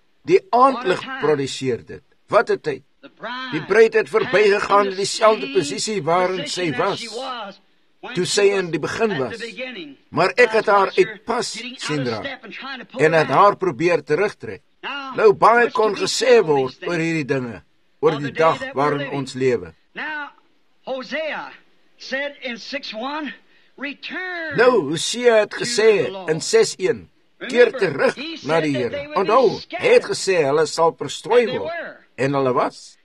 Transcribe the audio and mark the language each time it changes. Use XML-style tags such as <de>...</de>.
<af>Die aandlig produceer dit. Wat 'n tyd. Die bruid het verbygegaan in dieselfde posisie waarin sy was, toe sy in die begin was. Maar ek het haar uit pas sien raak, en het haar probeer terugtrek. Nou, baie kon gesê word oor hierdie dinge, oor die dag waarin ons lewe.</af> <en>Hosea said in 6:1, return.</en> <af>Nou, Hosea het gesê in 6:1, keer terug na die Here. Onthou, hy het gesê hulle sal verstrooi word, en hulle was.</af>